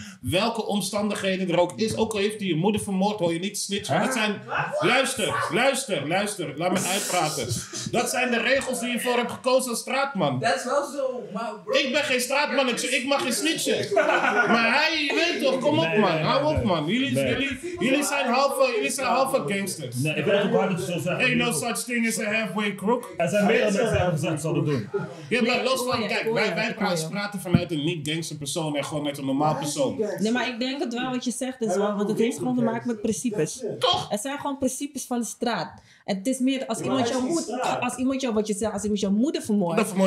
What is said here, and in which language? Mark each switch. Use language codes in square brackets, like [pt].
[nl] Welke omstandigheden er ook is, ook al heeft hij je moeder vermoord, hoor je niet snitchen. Huh? Luister. Laat me uitpraten. Dat zijn de regels die je voor hebt gekozen als straatman. Dat is wel zo, maar bro. Ik ben geen straatmannetje, ik mag geen snitchen. Maar hij, je weet toch, kom op man, hou op man. Jullie zijn halve gangsters. Nee, ik ben ook hard zo zeggen. [en] Ain't no such thing as a halfway crook. [nl] Zouden doen. Ja, maar los van, kijk, wij praten vanuit een niet-gangster persoon en gewoon met een normaal persoon. Nee, maar ik denk het wel wat je zegt is wel, want het heeft gewoon te maken met principes. Toch? Het zijn gewoon principes van de straat. En het is meer, als iemand jouw moeder vermoordt,